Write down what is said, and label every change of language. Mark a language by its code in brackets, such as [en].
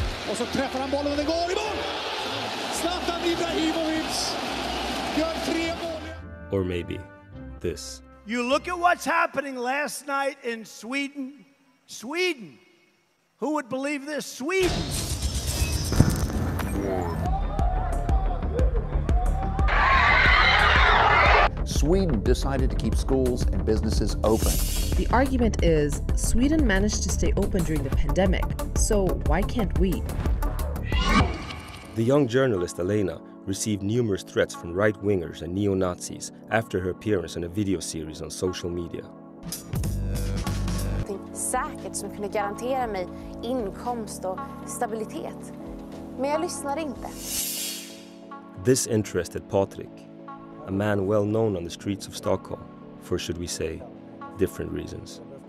[sv] Och så träffar han bollen och den går I mål. Zlatan Ibrahimovic gör 3 mål. [en] Or maybe this. You look at what's happening last night in Sweden. Sweden. Who would believe this? Sweden! Sweden decided to keep schools and businesses open. The argument is, Sweden managed to stay open during the pandemic, so why can't we? The young journalist Elena received numerous threats from right-wingers and neo-Nazis after her appearance in a video series on social media. [sv] Säkert som kunde garantera mig inkomst och stabilitet. Men jag lyssnade inte. [en] This interested Patrick, a man well known on the streets of Stockholm, for should we say, different reasons.